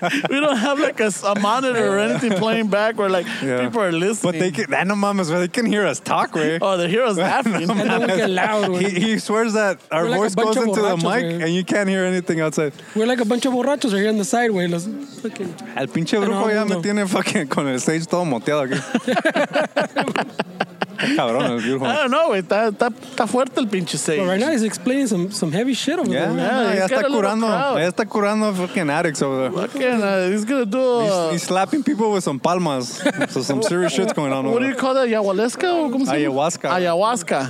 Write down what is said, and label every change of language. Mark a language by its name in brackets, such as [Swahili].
[English] We don't have like a monitor or anything playing back where like people are listening. But they can, [Spanish] no mamas, [English] they can hear us talk, right? Oh, they hear us laughing. No, and then we get loud. He swears that our voice like goes into the mic and you can't hear anything outside. We're like a bunch of borrachos right here on the side, wey. Okay. [Spanish] El pinche brujo ya me tiene fucking con el stage todo moteado aquí. Cabrón, [English] I don't know, wey. [Spanish] Está fuerte el pinche stage. [English] But right now he's explaining some heavy shit over there. Yeah, he's got a little curando, crowd. [Spanish] Ya está curando [English] fucking addicts over there. Fucking, he's gonna do He's slapping people with some palmas. So some serious shit's going on. What do you call that? Ayahuasca? Ayahuasca.